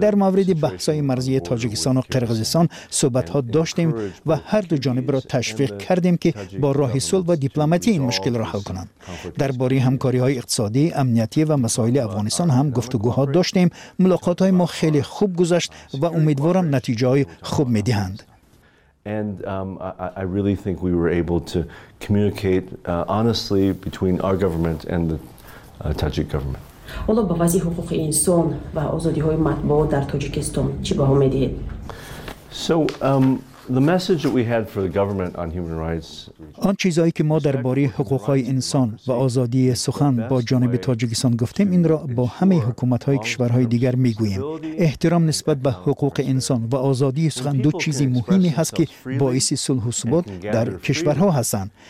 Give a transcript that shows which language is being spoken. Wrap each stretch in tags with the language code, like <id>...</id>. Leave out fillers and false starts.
<fa>در مورد بحث‌های مرزی تاجیکستان و قرغیزستان صحبت‌ها داشتیم و هر دو جانب را تشویق کردیم که با راه صلح و دیپلماتی این مشکل را حل کنند. درباره همکاری‌های اقتصادی، امنیتی و مسائل افغانستان هم گفتگوها داشتیم. ملاقات‌های ما خیلی خوب گذشت و امیدوارم نتایج خوب می‌دهند.</fa> <en>And I really think we were able to communicate honestly between our government and the Tajik government.</en> <fa>حالا به وضع حقوق انسان و آزادی‌های مطبوعات در تاجیکستان چه باه می‌دهید؟</fa> <en>The message that we had for the government on human rights.</en> <fa>آن چیزایی که ما درباره حقوق‌های انسان و آزادی سخن با جانب تاجیکستان گفتیم، این را با همه حکومت‌های کشورهای دیگر می‌گوییم. احترام نسبت به حقوق انسان و آزادی سخن دو چیزی مهمی هست که باعث صلح و ثبات در کشورها هستند.</fa>